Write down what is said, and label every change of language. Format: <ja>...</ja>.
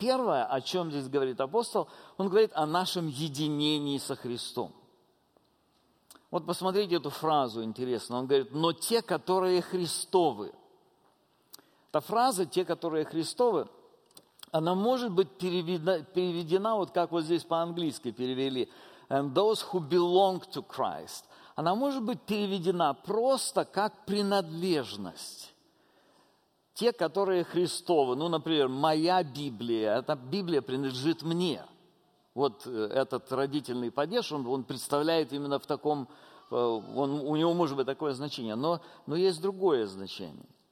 <ru>Первое, о чем здесь говорит апостол, он говорит о нашем единении со Христом. Вот посмотрите эту фразу интересно. Он говорит, но те, которые Христовы. Эта фраза, те, которые Христовы, она может быть переведена вот как вот здесь по-английски перевели.</ru> <en>And those who belong to Christ.</en> <ru>Она может быть переведена просто как принадлежность. Те, которые Христовы. Ну, например, моя Библия, эта Библия принадлежит мне. Вот этот родительный падеж, он представляет именно в таком... у него может быть такое значение, но есть другое значение.</ru>